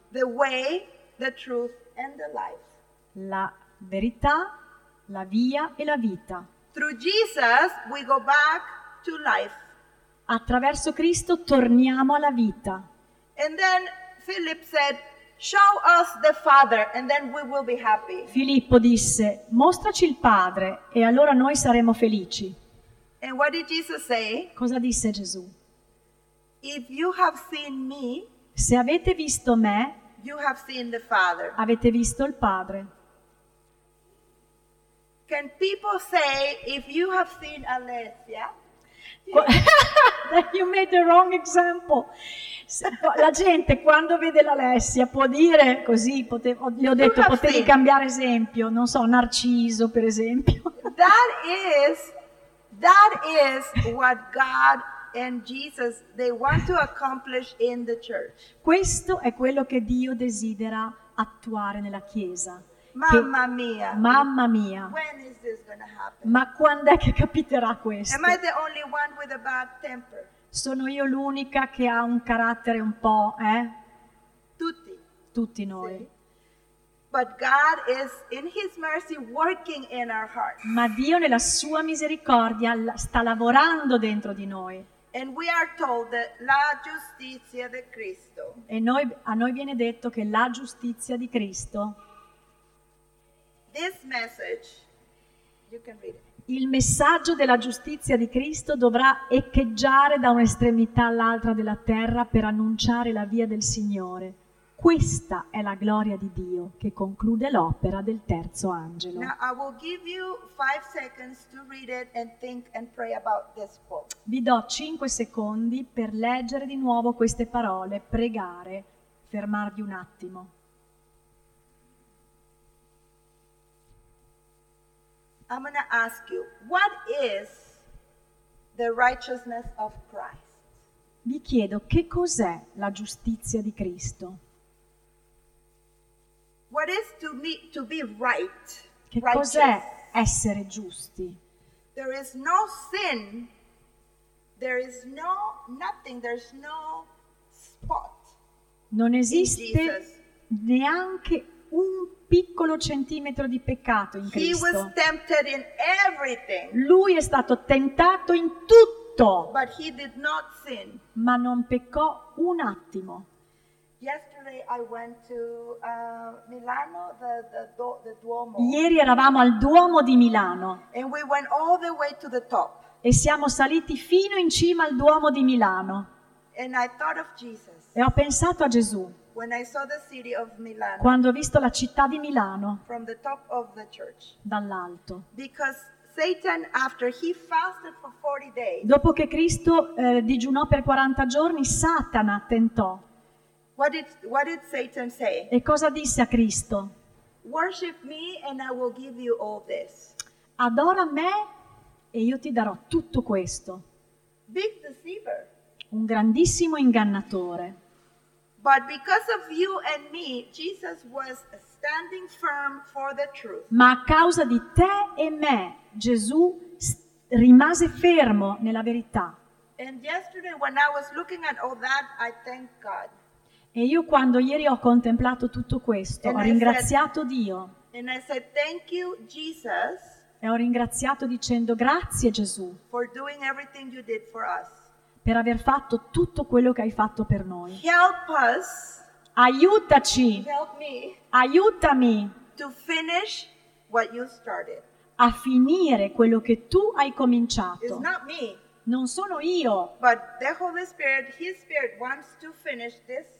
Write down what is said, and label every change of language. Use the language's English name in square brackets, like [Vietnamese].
[English] the way, the truth, and the life, [Italian] la verità, la via e la vita. [English] Through Jesus we go back to life. [Italian] Attraverso Cristo torniamo alla vita. [English] And then Philip said, show us the Father and then we will be happy. [Italian] Filippo disse, mostraci il Padre e allora noi saremo felici. [English] And what did Jesus say? [Italian] Cosa disse Gesù? [English] If you have seen me, [Italian] se avete visto me, [English] you have seen the Father. [Italian] Avete visto il Padre. [English] Can people say, if you have seen Alessia? You made the wrong example. [Italian] La gente quando vede l'Alessia può dire così, gli ho detto potevi [English] seen. [Italian] Cambiare esempio, non so, Narciso per esempio. [English] That is what God and Jesus they want to accomplish in the church. [Italian] Questo è quello che Dio desidera attuare nella Chiesa. Mamma mia. [English] When is this gonna happen? [Italian] Ma quando è che capiterà questo? [English] Am I the only one with a bad temper? [Italian] Sono io l'unica che ha un carattere un po', Tutti. Tutti noi. Sì. [English] But God is in his mercy working in our hearts. [Italian] Ma Dio nella sua misericordia sta lavorando dentro di noi. [English] And we are told that [Italian] la giustizia di Cristo. E noi, a noi viene detto che la giustizia di Cristo. [English] This message, you can read it. [Italian] Il messaggio della giustizia di Cristo dovrà echeggiare da un'estremità all'altra della terra per annunciare la via del Signore. Questa è la gloria di Dio che conclude l'opera del terzo angelo. [English] Now I will give you 5 seconds to read it and think and pray about this quote. [Italian] Vi do 5 secondi per leggere di nuovo queste parole, pregare, fermarvi un attimo. [English] I'm going to ask you, what is the righteousness of Christ? [Italian] Vi chiedo, che cos'è la giustizia di Cristo? [English] What is to be right? [Italian] Che cos'è essere giusti? [English] There is no sin. There is no nothing. There's no spot. [Italian] Non esiste neanche un piccolo centimetro di peccato in Cristo. [English] He was tempted in everything. [Italian] Lui è stato tentato in tutto. [English] But he did not sin. [Italian] Ma non peccò un attimo. [English] Yesterday I went to Milano, the Duomo. [Italian] Ieri eravamo al Duomo di Milano. [English] And we went all the way to the top. [Italian] E siamo saliti fino in cima al Duomo di Milano. [English] And I thought of Jesus. [Italian] E ho pensato a Gesù. [English] When I saw the city of Milano, [Italian] quando ho visto la città di Milano, [English] from the top of the church, [Italian] dall'alto. [English] Because Satan, after he fasted for 40 days, [Italian] dopo che Cristo digiunò per 40 giorni, Satana tentò. [English] What did Satan say? [Italian] E cosa disse a Cristo? [English] Worship me and I will give you all this. [Italian] Adora me e io ti darò tutto questo. [English] Big deceiver. [Italian] Un grandissimo ingannatore. [English] But because of you and me, Jesus was standing firm for the truth. [Italian] Ma a causa di te e me, Gesù rimase fermo nella verità. [English] And yesterday when I was looking at all that, I thank God. [Italian] E io quando ieri ho contemplato tutto questo, [English] and [Italian] ho ringraziato Dio. [English] And I said thank you, Jesus. [Italian] E ho ringraziato dicendo grazie Gesù. [English] For doing everything you did for us. [Italian] Per aver fatto tutto quello che hai fatto per noi. [English] Help us, [Italian] aiutaci. [English] Help me, [Italian] aiutami. [English] To finish what you started. [Italian] A finire quello che tu hai cominciato. [English] It's not me, [Italian] non sono io. [English] But the Holy Spirit, His Spirit wants to finish this.